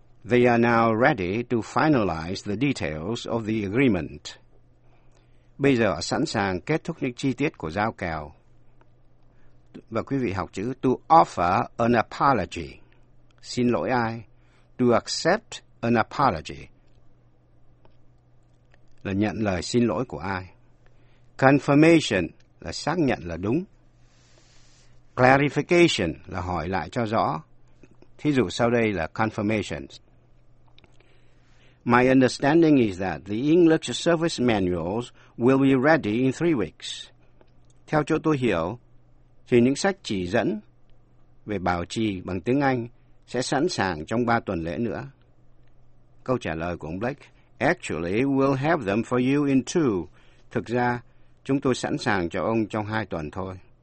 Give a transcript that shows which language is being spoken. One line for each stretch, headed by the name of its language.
English: They are now ready to finalize the details of the agreement.
Vietnamese: Bây giờ sẵn sàng kết thúc những chi tiết của giao kèo. Và quý vị học chữ
English: to offer an apology.
Vietnamese: Xin lỗi ai?
English: To accept an apology
Vietnamese: là nhận lời xin lỗi của ai. Confirmation là xác nhận là đúng. Clarification là hỏi lại cho rõ. Thí dụ sau đây là confirmation.
English: My understanding is that the English service manuals will be ready in 3 weeks.
Vietnamese: Theo chỗ tôi hiểu, thì những sách chỉ dẫn về bảo trì bằng tiếng Anh sẽ sẵn sàng trong 3 tuần lễ nữa. Câu trả lời của ông Blake,
English: Actually, we'll have them for you in 2.
Vietnamese: Thực ra, chúng tôi sẵn sàng cho ông trong 2 tuần thôi.